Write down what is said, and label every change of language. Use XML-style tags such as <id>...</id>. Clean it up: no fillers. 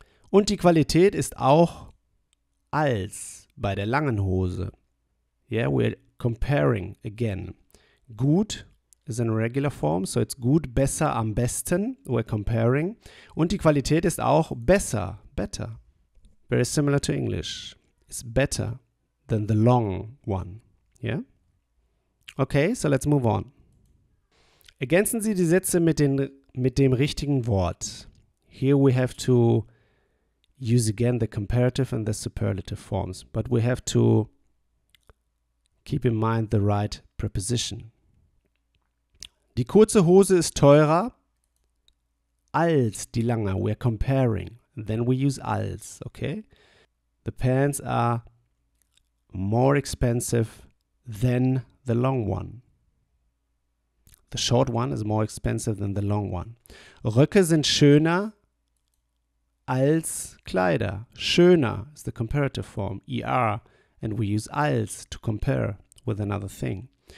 <de>Und die Qualität ist auch als bei der langen Hose.</de> <en>Yeah, we're comparing again. Gut is in a regular form, so it's</en> <de>gut, besser, am besten,</de> <en>we're comparing.</en> <de>Und die Qualität ist auch besser,</de> <en>better. Very similar to English. It's better than the long one, yeah? Okay, so let's move on.</en> <de>Ergänzen Sie die Sätze mit dem richtigen Wort.</de> <en>Here we have to use again the comparative and the superlative forms, but we have to keep in mind the right preposition.</en> <de>Die kurze Hose ist teurer als die lange.</de> <en>We're comparing. Then we use als, okay? The pants are more expensive than the long one. The short one is more expensive than the long one.</en> <de>Röcke sind schöner als Kleider.</de> <en>Schöner is the comparative form, er, and we use als to compare with another thing.</en>